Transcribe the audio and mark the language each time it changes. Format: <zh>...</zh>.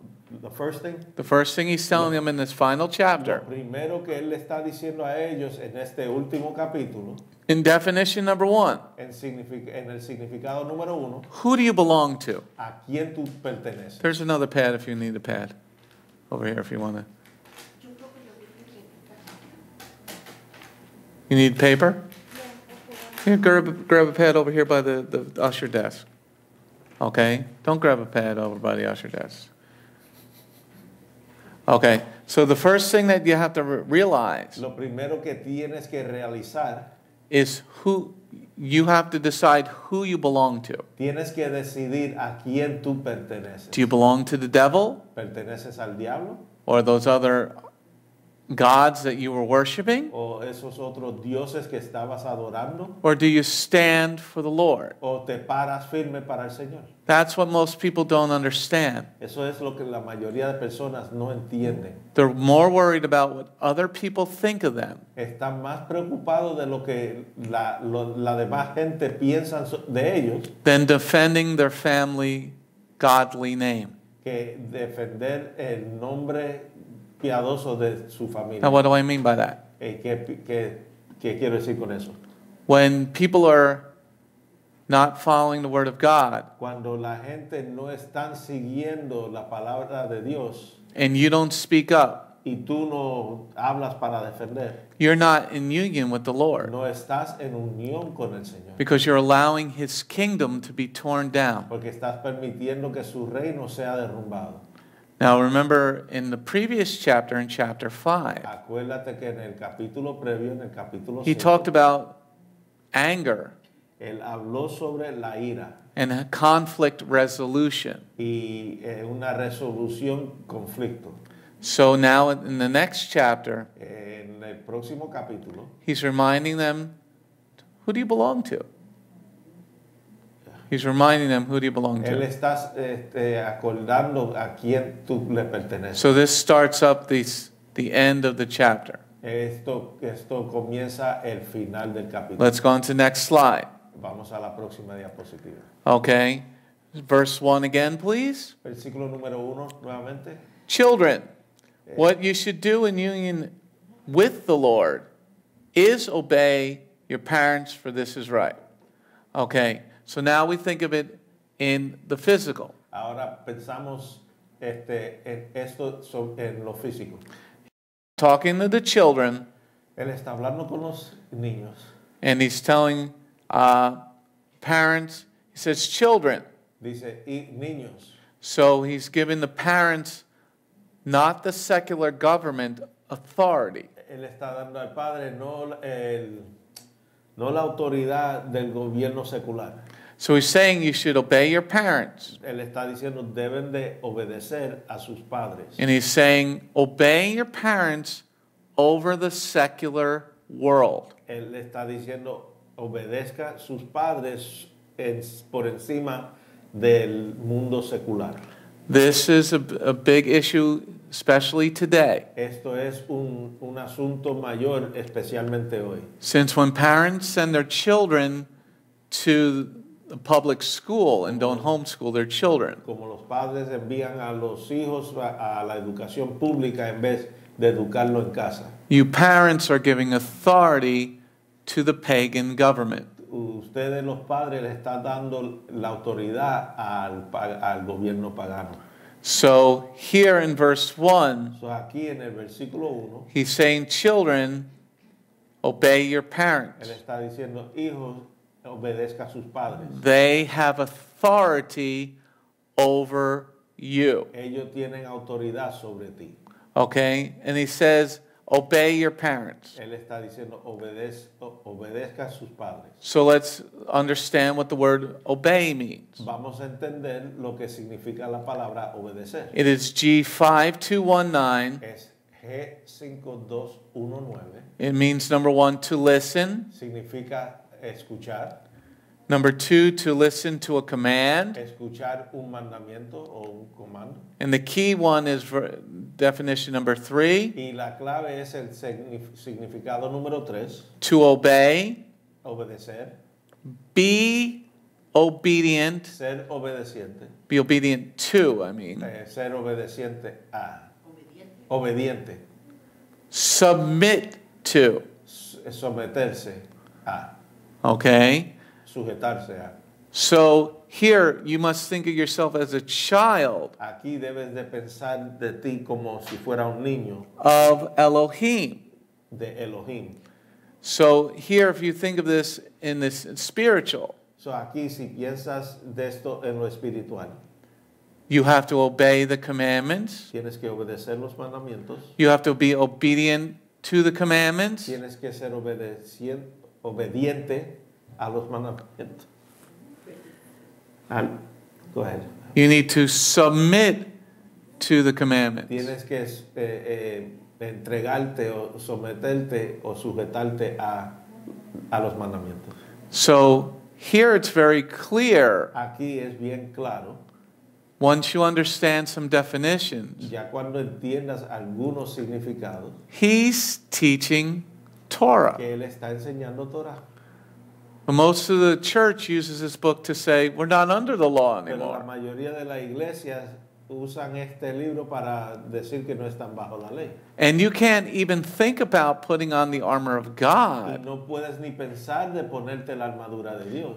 <en>The first thing he's telling them in this final chapter.</en> <es>Lo primero que él está diciendo a ellos en este último capítulo.</es> <en>In definition number one.</en> <es>En el significado número uno.</es> <en>Who do you belong to?</en> <es>¿A quién tú perteneces?</es> <en>There's another pad if you need a pad. Over here if you want to. You need paper? Yeah. Here, grab a pad over here by the usher desk. Okay? Don't grab a pad over by the usher desk. Okay. So the first thing that you have to realize,</en> <es>lo primero que tienes que realizar,</es> <en>is who you have to decide who you belong to.</en> <es>Tienes que decidir a quién tú perteneces.</es> <en>Do you belong to the devil?</en> <es>¿Perteneces al diablo?</es> <en>Or those other gods that you were worshiping?</en> <es>¿O esos otros dioses que estabas adorando?</es> <en>Or do you stand for the Lord?</en> <es>¿O te paras firme para el Señor?</es> <en>That's what most people don't understand.</en> <es>Eso es lo que la mayoría de personas no entienden.</es> <en>They're more worried about what other people think of them.</en> <es>Están más preocupados de lo que la demás gente piensa de ellos.</es> <en>Than defending their family godly name.</en> <es>Que defender el nombre piadoso de su familia.</es> <en>Now, what do I mean by that?</en> <es>¿Qué quiero decir con eso?</es> <en>When people are not following the word of God,</en> <es>cuando la gente no están siguiendo la palabra de Dios,</es> <en>and you don't speak up,</en> <es>y tú no hablas para defender,</es> <en>you're not in union with the Lord.</en> <es>No estás en unión con el Señor.</es> <en>Because you're allowing His kingdom to be torn down.</en> <es>Porque estás permitiendo que su reino sea derrumbado.</es> <en>Now remember, in the previous chapter, in chapter 5,</en> <es>acuérdate que en el capítulo previo, en el capítulo</es> <en>5, he talked about anger.</en> <es>Él habló sobre la ira.</es> <en>And a conflict resolution.</en> <es>Y una resolución conflicto.</es> <en>So now in the next chapter,</en> <es>en el próximo capítulo,</es> <en>he's reminding them, who do you belong to? He's reminding them, who do you belong to?</en> <es>Él está acordando a quién tú le perteneces.</es> <en>So this starts up the end of the chapter.</en> <es>Esto comienza el final del capítulo.</es> <en>Let's go on to the next slide.</en> <es>Vamos a la próxima diapositiva.</es> <en>Okay. Verse 1 again, please.</en> <es>Versículo número 1, nuevamente.</es> <en>Children, what you should do in union with the Lord is obey your parents, for this is right. Okay. So now we think of it in the physical.</en> <es>Ahora pensamos en esto en lo físico.</es> <en>Talking to the children.</en> <es>Él está hablando con los niños.</es> <en>And he's telling parents, he says, children.</en> <es>Dice, niños.</es> <en>So he's giving the parents, not the secular government, authority.</en> <es>Él está dando al padre, no la autoridad del gobierno secular.</es> <en>So he's saying you should obey your parents.</en> <es>Él está diciendo, deben de obedecer a sus padres.</es> <en>And he's saying, obey your parents over the secular world.</en> <es>Él está diciendo, obedezca sus padres por encima del mundo secular.</es> <en>This is a big issue, especially today.</en> <es>Esto es un asunto mayor, especialmente hoy.</es> <en>Since when parents send their children to a public school and don't homeschool their children.</en> <es>Como los padres envían a los hijos a la educación pública en vez de educarlo en casa.</es> <en>You parents are giving authority to the pagan government.</en> <es>Ustedes los padres le están dando la autoridad al gobierno pagano.</es> <en>So here in verse 1,</en> <es>so aquí en el versículo 1,</es> <en>he's saying, children, obey your parents.</en> <es>Él está diciendo, hijos, obedezca a sus padres.</es> <en>They have authority over you.</en> <es>Ellos tienen autoridad sobre ti.</es> <en>Okay, and he says, obey your parents.</en> <es>Él está diciendo, obedezca a sus padres.</es> <en>So let's understand what the word obey means.</en> <es>Vamos a entender lo que significa la palabra obedecer.</es> <en>It is G5219.</en> <es>Es G5219.</es> <en>It means, number one, to listen.</en> <es>Significa escuchar.</es> <en>Number two, to listen to a command.</en> <es>Escuchar un mandamiento o un comando.</es> <en>And the key one is definition number three.</en> <es>Y la clave es el significado número tres.</es> <en>To obey.</en> <es>Obedecer.</es> <en>Be obedient.</en> <es>Ser obediente.</es> <en>Be obedient to, I mean.</en> <es>Ser obediente a. Obediente.</es> <en>Submit to.</en> <es>Someterse a.</es> <en>Okay.</en> <es>Sujetarse a.</es> <en>So here you must think of yourself as a child.</en> <es>Aquí debes de pensar de ti como si fuera un niño.</es> <en>Of Elohim.</en> <es>De Elohim.</es> <en>So here, if you think of this in this spiritual.</en> <es>So aquí si piensas de esto en lo espiritual.</es> <en>You have to obey the commandments.</en> <es>Tienes que obedecer los mandamientos.</es> <en>You have to be obedient to the commandments.</en> <es>Tienes que ser obediente. A los</es> <en>go ahead. You need to submit to the commandments.</en> <es>Tienes que de entregarte o someterte o sujetarte a los mandamientos.</es> <en>So here it's very clear.</en> <es>Aquí es bien claro.</es> <en>Once you understand some definitions,</en> <es>ya cuando entiendas algunos significados,</es> <en>he's teaching Torah.</en> <es>Que él está enseñando Torah.</es> <en>Most of the church uses this book to say we're not under the law anymore.</en> <es>Pero la mayoría de las iglesias usan este libro para decir que no están bajo la ley.</es> <en>And you can't even think about putting on the armor of God.</en> <es>Y no puedes ni pensar de ponerte la armadura de Dios.</es>